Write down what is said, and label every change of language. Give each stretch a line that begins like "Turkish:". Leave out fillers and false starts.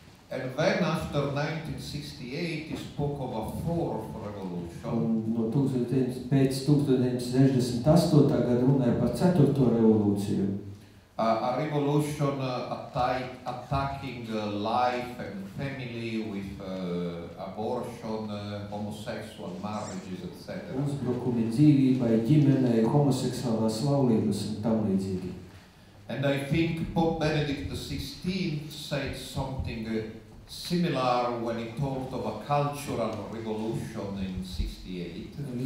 English: And then after 1968, he spoke of a fourth revolution.
Latvian: Pēc 1968. Gada runāja par ceturto revolūciju.
English: A revolution attacking life and family with abortion, homosexual marriages, etc.
Latvian: Uzbrukumi dzīvībai, ģimenei, homoseksuālās laulības un tam līdzīgi.
English: And I think Pope Benedict XVI said something similar when he talked of a cultural revolution in